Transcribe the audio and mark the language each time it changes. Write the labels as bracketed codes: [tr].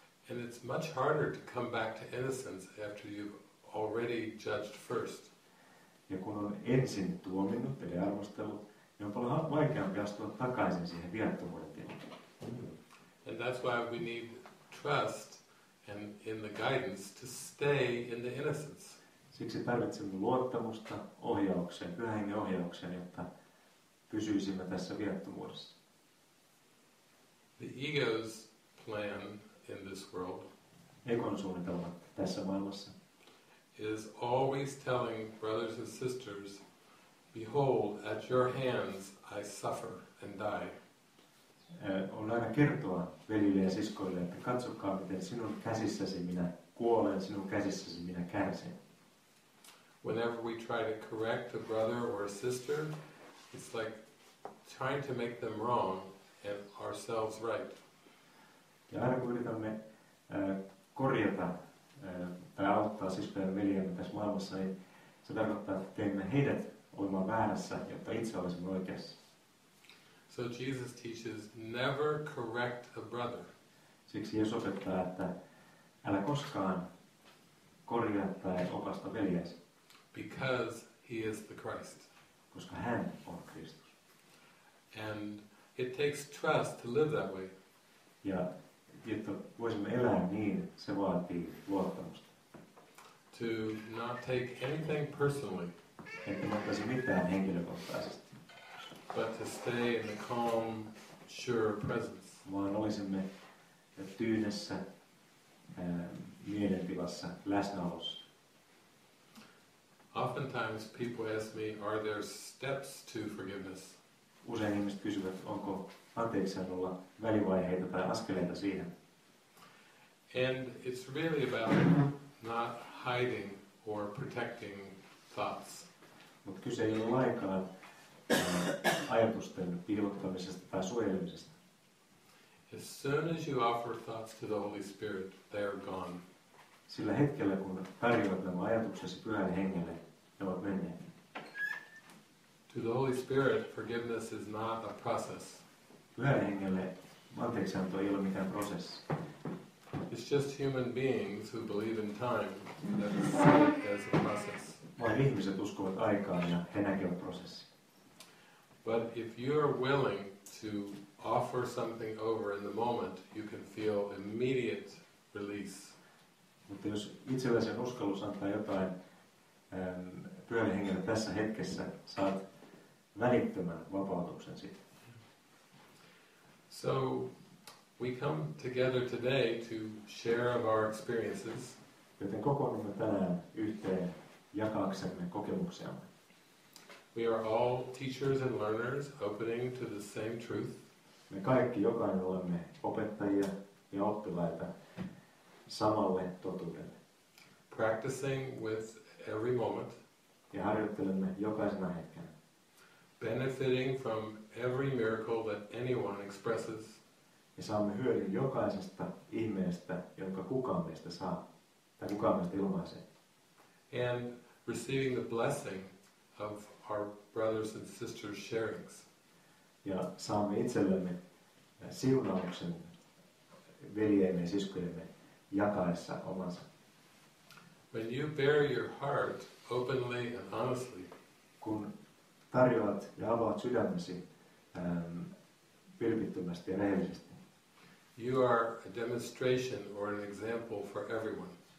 [en] And it's much harder to come back to innocence after you've already judged first. [fi] Ja kun on ensin tuominnut eli arvostellut, niin on paljon vaikeampi astua takaisin siihen viattomuuden tilaan. [en] And that's why we need trust and in the guidance to stay in the innocence. [fi] Siksi tarvitsemme luottamusta, ohjauksen, Pyhän Hengen ohjauksen, jotta pysyisimme tässä viattomuudessa. [en] The ego's plan in this world, [fi] egon suunnitelma tässä maailmassa, [en] is always telling brothers and sisters, behold, at your hands I suffer and die. [fi] On aina kertoa veljille ja siskoille, että katsokaa, miten sinun käsissäsi minä kuolen, sinun käsissäsi minä kärsin. [en] Whenever we try to correct a brother or a sister, it's like trying to make them wrong and ourselves right. [fi] Ja aina kun yritämme korjata tai auttaa siskojen veljemme tässä maailmassa, niin se tarkoittaa, että teemme heidät olemaan väärässä, jotta itse olisimme oikeassa. [en] So Jesus teaches, never correct a brother. [fi] Siksi Jeesus opettaa, että älä koskaan korjaa tai opasta veljeäsi. [en] Because he is the Christ. [fi] Koska hän on Kristus. [en] And it takes trust to live that way. [fi] Ja jotta voisimme elää niin, se vaatii luottamusta. [en] To not take anything personally. [fi] Että ottaisi mitään henkilökohtaisesti. [en] But to stay in the calm, sure presence. [fi] Vaan olisimme tyynessä, mielentilassa, läsnäolossa. [en] Oftentimes people ask me, are there steps to forgiveness? [fi] Usein ihmiset kysyvät, onko anteeksiannolla välivaiheita tai askeleita siihen. [en] And it's really about not hiding or protecting thoughts. [fi] Mutta kyse ei ole lainkaan ajatusten piilottamisesta tai suojelemisesta. [en] As soon as you offer thoughts to the Holy Spirit, they are gone. [fi] Sillä hetkellä, kun tarjoat nämä ajatuksesi Pyhän Hengelle, ne ovat menneet. [en] To the Holy Spirit, forgiveness is not a process. [fi] Pyhän Hengelle anteeksianto ei ole mikään prosessi. [en] It's just human beings who believe in time that see it as a process. [fi] Vain ihmiset uskovat aikaan ja he näkevät prosessin. [en] But if you are willing to offer something over in the moment, you can feel immediate release. [fi] Mutta jos itsellesi on uskallus antaa jotain Pyhälle Hengelle tässä hetkessä, saat välittömän vapautuksen siitä. [en] So we come together today to share of our experiences. [fi] Joten kokoonnumme tänään yhteen jakaaksemme kokemuksiamme. [en] We are all teachers and learners opening to the same truth. [fi] Me kaikki jokainen olemme opettajia ja oppilaita samalle totuudelle. [en] Practicing with every moment. [fi] Ja harjoittelemme jokaisena hetkenä. [en] Benefiting from every miracle that anyone expresses. [fi] Ja saamme hyödyn jokaisesta ihmeestä, jonka kukaan meistä saa. Tai kukaan meistä ilmaisee. [en] And receiving the blessing of our brothers and sisters' sharings. [fi] Ja saamme itsellemme siunauksen veljeemme ja siskojemme jakaessa omansa. [en] When you bare your heart openly and honestly, [fi] kun tarjoat ja avaat sydämesi vilpittömästi ja rehellisesti, [en] you are a demonstration or an example for everyone.